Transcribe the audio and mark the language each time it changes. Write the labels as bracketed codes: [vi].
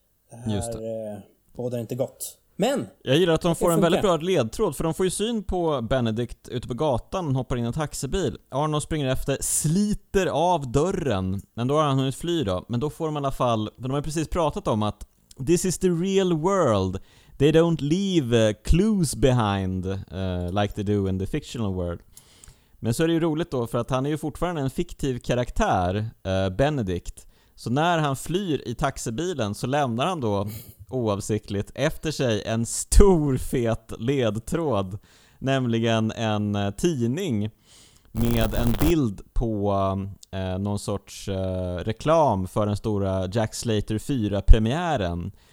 [sv] Det här bådar inte gott. Men jag gillar att de får en väldigt bra ledtråd, för de får ju syn på Benedict ute på gatan, hoppar in i en taxibil. Arnold springer efter, sliter av dörren, men då har han hunnit fly då. Men då får de i alla fall, men de har ju precis pratat om att [en] this is the real world. They don't leave clues behind like they do in the fictional world. [sv] Men så är det ju roligt då, för att han är ju fortfarande en fiktiv karaktär, Benedict. Så när han flyr i taxibilen så lämnar han då oavsiktligt efter sig en stor fet ledtråd. Nämligen en tidning med en bild på någon sorts reklam för den stora Jack Slater 4-premiären.